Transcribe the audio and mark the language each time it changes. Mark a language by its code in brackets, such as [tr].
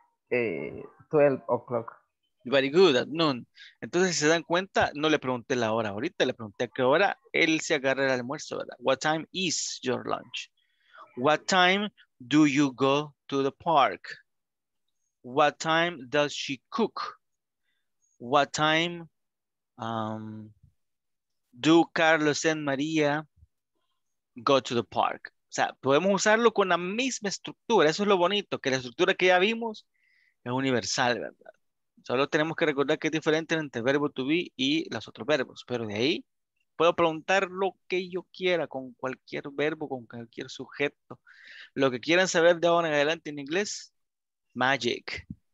[en] At 12 o'clock. Very good, at noon. [es] Entonces, si se dan cuenta, no le pregunté la hora ahorita, le pregunté a qué hora él se agarra el almuerzo, ¿verdad? [en] What time is your lunch? What time do you go to the park? What time does she cook? What time do Carlos and Maria go to the park? [es] O sea, podemos usarlo con la misma estructura. Eso es lo bonito, que la estructura que ya vimos es universal, ¿verdad? Solo tenemos que recordar que es diferente entre el verbo to be y los otros verbos. Pero de ahí puedo preguntar lo que yo quiera con cualquier verbo, con cualquier sujeto. Lo que quieran saber de ahora en adelante en inglés, magic.